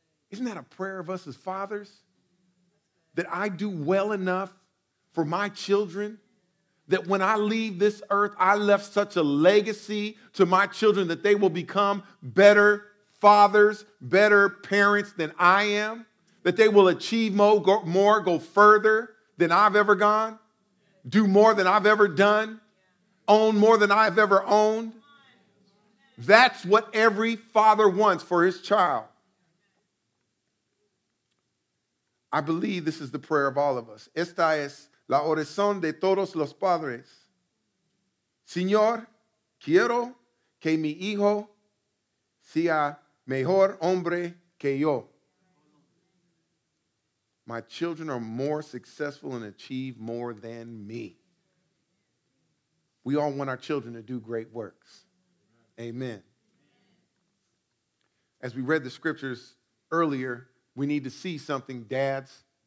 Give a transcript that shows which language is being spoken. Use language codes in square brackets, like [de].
[en] Isn't that a prayer of us as fathers? That I do well enough for my children, that when I leave this earth, I left such a legacy to my children that they will become better fathers, better parents than I am, that they will achieve more, go further than I've ever gone, do more than I've ever done, own more than I've ever owned. That's what every father wants for his child. I believe this is the prayer of all of us. [es] Esta es la oración de todos los padres. Señor, quiero que mi hijo sea mejor hombre que yo. [en] My children are more successful and achieve more than me. We all want our children to do great works. Amen. as we read the scriptures earlier, we need to see something, dads.